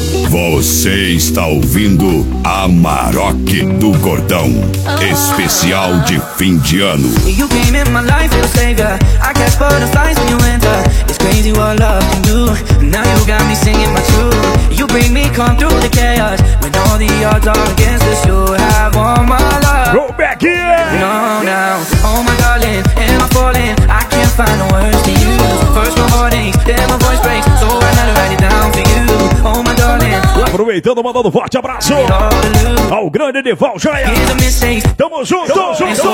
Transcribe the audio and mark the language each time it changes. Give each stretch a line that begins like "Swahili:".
Portuguese: Você está ouvindo a Amarok do Gordão, especial de fim de ano.
English: You came in my life, you savior. I catch butterflies when you enter. It's crazy what love can do. Now you got me singing my truth. You bring me calm through the chaos. When all the odds are against us, you have all my love. Go back in! No, now, oh my darling, am I falling? I can't find the words to use. First my heart aches, then my voice breaks. So I gotta write it down for you.
Portuguese: Aproveitando, mandando forte abraço ao grande Nival Jaya. Tamo junto, tamo junto.